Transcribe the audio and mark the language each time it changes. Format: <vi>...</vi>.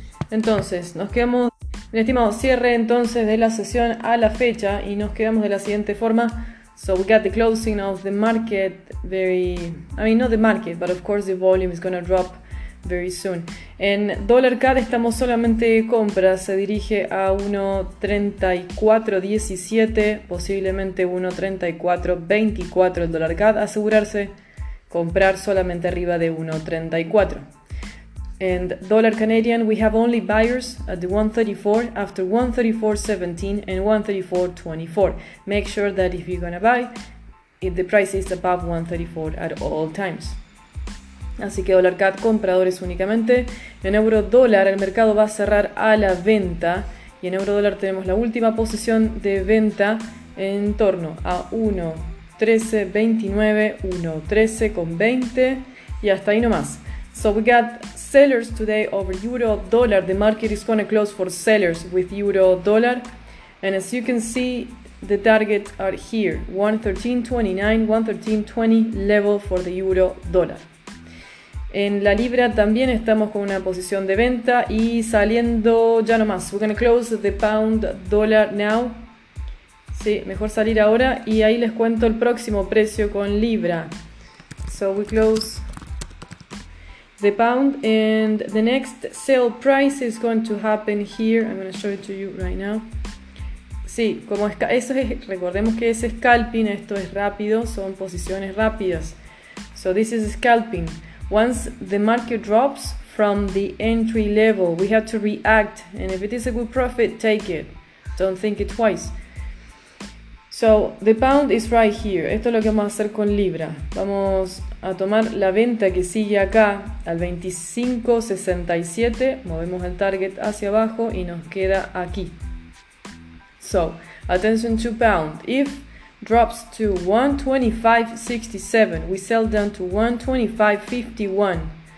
<es>Entonces, nos quedamos, mi estimado, cierre entonces de la sesión a la fecha y nos quedamos de la siguiente forma.</es> <en>So we got the closing of the market not the market, but of course the volume is gonna drop very soon.</en> <es>En dólar CAD estamos solamente de compra, se dirige a 1.3417, posiblemente 1.3424 el dólar CAD, asegurarse comprar solamente arriba de 1.34.</es> <en>And dollar Canadian, we have only buyers at the 134, after 134.17 and 134.24. Make sure that if you're gonna buy, if the price is above 134 at all times.</en> <es>Así que dólar CAD, compradores únicamente. En euro dólar, el mercado va a cerrar a la venta. Y en euro dólar tenemos la última posición de venta en torno a 1.1329, 1.1320 y hasta ahí nomás.</es> <en>So we got sellers today over euro dollar. The market is going to close for sellers with euro dollar. And as you can see, the targets are here. 1.1329, 1.1320 level for the euro dollar.</en> <es>En la libra también estamos con una posición de venta y saliendo ya nomás.</es> <en>We're going to close the pound dollar now.</en> <es>Sí, mejor salir ahora y ahí les cuento el próximo precio con libra.</es> <en>So we close the pound and the next sale price is going to happen here. I'm going to show it to you right now.</en> <es>Sí, como es, eso es, recordemos que es scalping, esto es rápido, son posiciones rápidas.</es> <en>So this is scalping. Once the market drops from the entry level, we have to react. And if it is a good profit, take it. Don't think it twice. So the pound is right here.</en> <es>Esto es lo que vamos a hacer con libra. Vamos a tomar la venta que sigue acá al 25.67. Movemos el target hacia abajo y nos queda aquí.</es> <en>So, attention to pound. If drops to 125.67, we sell down to 125.51.</en>